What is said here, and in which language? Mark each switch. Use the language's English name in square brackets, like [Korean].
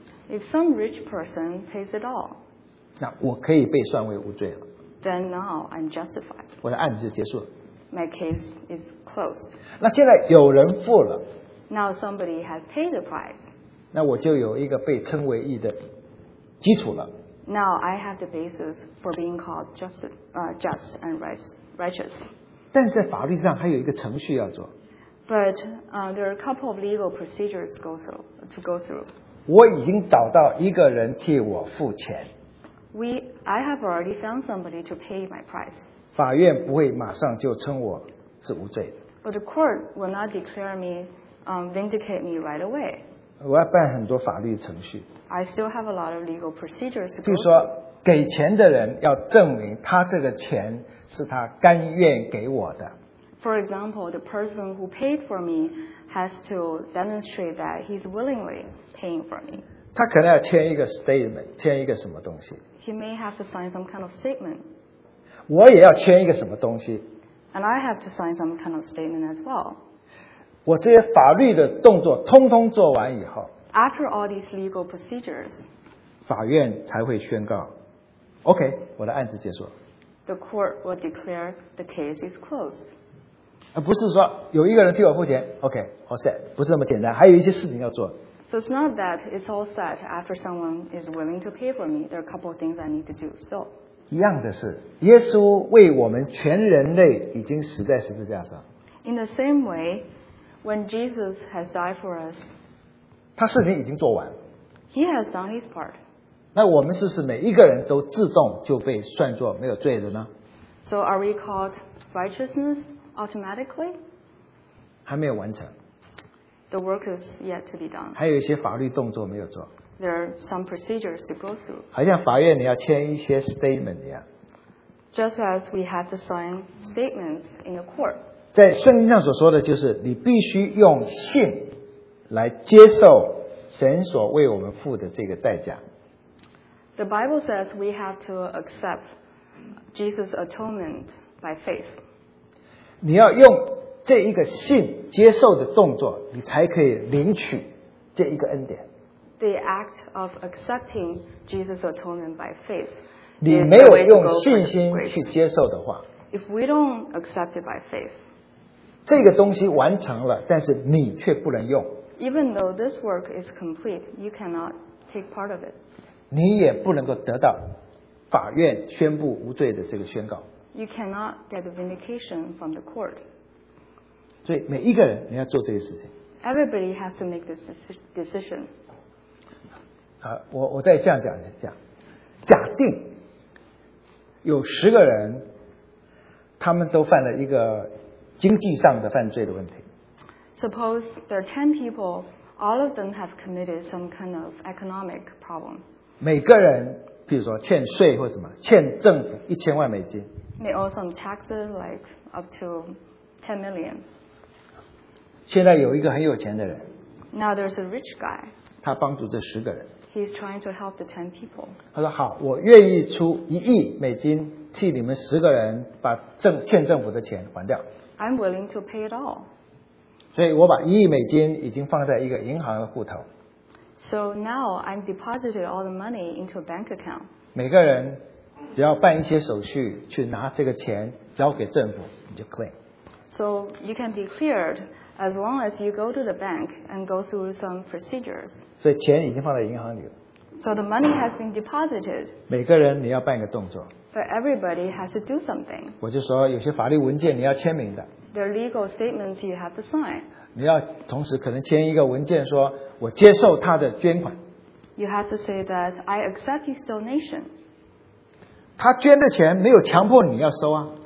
[English] If some rich person pays it all, [Chinese] 那我可以被算为无罪了。 [English] Then now I'm justified. [Chinese] 我的案子就结束了。 [English] My case is closed. [Chinese] 那现在有人付了。 [English] Now somebody has paid the price. [Chinese] 那我就有一个被称为义的基础了。 [English] Now I have the basis for being called just, just and righteous. [Chinese] 但是在法律上还有一个程序要做。 [English] But there are a couple of legal procedures to go through. [Chinese] 我已经找到一个人替我付钱。 [English] I have already found somebody to pay my price. [Chinese] 法院不会马上就称我是无罪的。 [English] But the court will not declare me, vindicate me right away. [Chinese] 我要办很多法律程序。 [English] I still have a lot of legal procedures to go through. [Chinese] 比如说，给钱的人要证明他这个钱是他甘愿给我的。 [English] For example, the person who paid for me has to demonstrate that he's willingly paying for me. [Chinese] 他可能要签一个 statement, 签一个什么东西。 [English] He may have to sign some kind of statement. [Chinese] 我也要签一个什么东西。 [English] And I have to sign some kind of statement as well. [Chinese] 我这些法律的动作通通做完以后。 [English] After all these legal procedures, [Chinese] 法院才会宣告 OK, 我的案子结束。 [English] The court will declare the case is closed. [Chinese] 不是说有一个人替我付钱 OK, [English] all set, [Chinese] 不是那么简单，还有一些事情要做。 [English] So it's not that it's all set after someone is willing to pay for me. There are a couple of things I need to do still. [Chinese] 一样的是，耶稣为我们全人类已经死在十字架上。 [English] In the same way, when Jesus has died for us, [Chinese] 他事情已经做完。 [English] He has done his part. [Chinese] 那我们是不是每一个人都自动就被算作没有罪的呢？ [English] So are we called righteousness automatically? [Chinese] 还没有完成。 [English] The work is yet to be done. [Chinese] 还有一些法律动作没有做。 [English] There are some procedures to go through. [Chinese] 好像法院你要签一些 statement 一样。 [English] Just as we have to sign statements in a court. [Chinese] 在圣经上所说的就是你必须用信来接受神所为我们付的这个代价。 [English] The Bible says we have to accept Jesus' atonement by faith. [Chinese] 你要用这一个信接受的动作，你才可以领取这一个恩典。 [English] The act of accepting Jesus' atonement by faith. [Chinese] 你没有用信心去接受的话 [English] ，If we don't accept it by faith, [Chinese] 这个东西完成了，但是你却不能用。 [English] Even though this work is complete, you cannot take part of it. [Chinese] 你也不能够得到法院宣布无罪的这个宣告。 [English] You cannot get the vindication from the court. [Chinese] 所以每一个人你要做这些事情。 [English] Everybody has to make this decision. [Chinese] 我再这样讲一下。假定有十个人他们都犯了一个经济上的犯罪的问题。 [English] Suppose there are 10 people, all of them have committed some kind of economic problem. [Chinese] 每个人比如说欠税或什么欠政府1000万美金。 [English] They owe some taxes like up to 10 million. [Chinese] 现在有一个很有钱的人。 [English] Now there's a rich guy. [Chinese] 他帮助这十个人。 [English] He's trying to help the 10 people. [Chinese] 他说好，我愿意出1亿美金替你们十个人把欠政府的钱还掉。 [English] I'm willing to pay it all. [Chinese] 所以我把1亿美金已经放在一个银行的户头。 [English] So now I'm deposited all the money into a bank account. [Chinese] 每个人只要办一些手续去拿这个钱交给政府，你就 claim. [English] So you can be cleared. As long as you go to the bank and go through some procedures. [Chinese] 所以钱已经放在银行里了。 [English] So the money has been deposited. [Chinese] 每个人你要办一个动作。 [English] But everybody has to do something. [Chinese] 我就说有些法律文件你要签名的。 [English] There are legal statements you have to sign. [Chinese] 你要同时可能签一个文件说我接受他的捐款。 [English] You have to say that I accept his donation. [Chinese] 他捐的钱没有强迫你要收啊。